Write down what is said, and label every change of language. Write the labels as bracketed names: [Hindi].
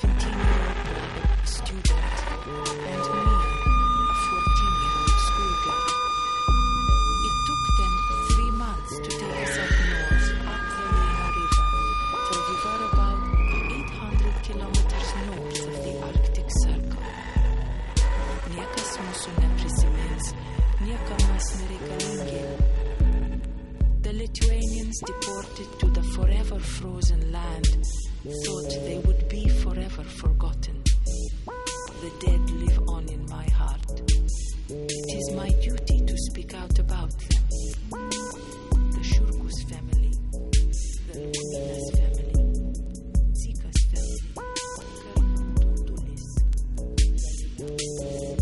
[English] 15-year-old student and me, a 14-year-old schoolgirl. It took them 3 months to take us up north up the Lena River, for we were about 800 kilometers north of the Arctic Circle. [Lithuanian] Niekas mūsų neprisimins, niekam mes nereikalingi. [English] The Lithuanians deported to the forever frozen land thought they would be forever forgotten. The dead live on in my heart. It is my duty to speak out about them. The Shurkus family, the Lunas family, Zika's family,